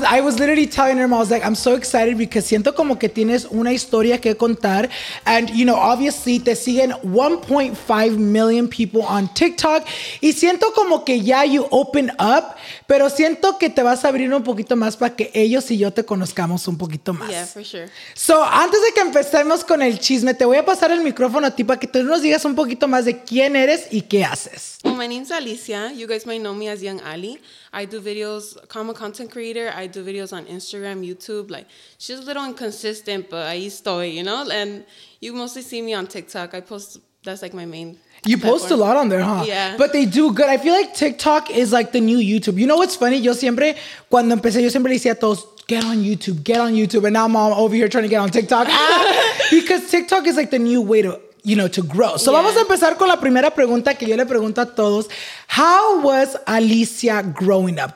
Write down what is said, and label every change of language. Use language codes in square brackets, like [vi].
[en] I was literally telling her, I was like, I'm so excited because [es] siento como que tienes una historia que contar. [en] And, you know, obviously, [es] te siguen [en] 1.5 million people on TikTok. [es] Y siento como que ya [en] you open up, [es] pero siento que te vas a abrir un poquito más para que ellos y yo te conozcamos un poquito más. [en] Yeah, for sure. [es] So, antes de que empecemos con el chisme, te voy a pasar el micrófono a ti para que tú nos digas un poquito más de quién eres y qué haces. [en] Well, my name's Alicia. You guys might know me as Young Ali. I do videos, I'm a content creator. I do videos on Instagram, YouTube. Like, she's a little inconsistent, but [es] ahí estoy, [en] you know? And you mostly see me on TikTok. I post, that's like my main... You post a lot on there, huh? Yeah. But they do good. I feel like TikTok is like the new YouTube. You know what's funny? [es] Yo siempre, cuando empecé, yo siempre decía a todos, [en] get on YouTube, get on YouTube. And now mom over here trying to get on TikTok. Because TikTok is like the new way to, you know, to grow. So yeah. [es] Vamos a empezar con la primera pregunta que yo le pregunto a todos. [en] How was Alicia growing up?